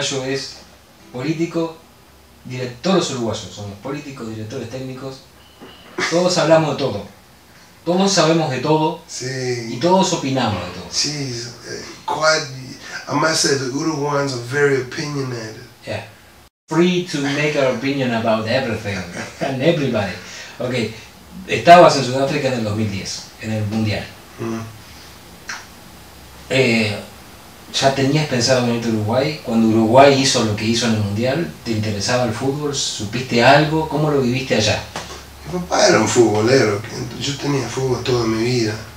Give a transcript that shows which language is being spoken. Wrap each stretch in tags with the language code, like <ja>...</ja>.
<es>Es político, director, todos los uruguayos somos políticos, directores técnicos, todos hablamos de todo, todos sabemos de todo, sí. Y todos opinamos de todo.</es> <en>Sí, quite, I must say the Uruguayans are very opinionated. Yeah, free to make our opinion about everything and everybody.</en> <es>Ok, estabas en Sudáfrica en el 2010, en el Mundial. ¿Ya tenías pensado venir a Uruguay? Cuando Uruguay hizo lo que hizo en el Mundial, ¿te interesaba el fútbol? ¿Supiste algo? ¿Cómo lo viviste allá? Mi papá era un futbolero, yo tenía fútbol toda mi vida.</es>